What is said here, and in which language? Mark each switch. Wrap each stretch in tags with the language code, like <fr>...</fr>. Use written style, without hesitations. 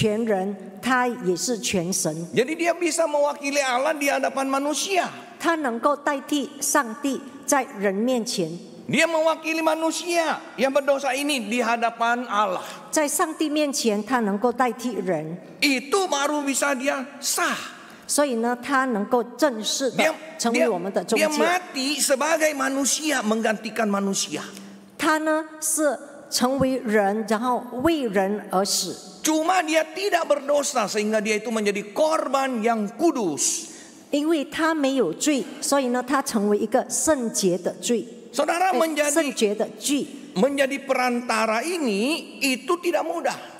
<zh>他的特质就是他是全人，他也是全神.</zh> <id>Jadi dia bisa mewakili Allah di hadapan manusia.</id> <zh>他能够代替上帝在人面前.</zh> <id>Dia mewakili manusia yang berdosa ini di hadapan Allah.</id> <zh>在上帝面前他能够代替人.</zh> <id>Itu baru bisa dia sah.</id> <zh>所以呢，他能够正式的成为我们的宗教.</zh> <id>Dia mati sebagai manusia menggantikan manusia.</id> <zh>他呢是成为人，然后为人而死.</zh> <id>Cuma dia tidak berdosa sehingga dia itu menjadi korban yang kudus.</id> <zh>因为他没有罪，所以呢，他成为一个圣洁的罪.</zh> <id>Saudara, menjadi perantara ini itu tidak mudah.</id>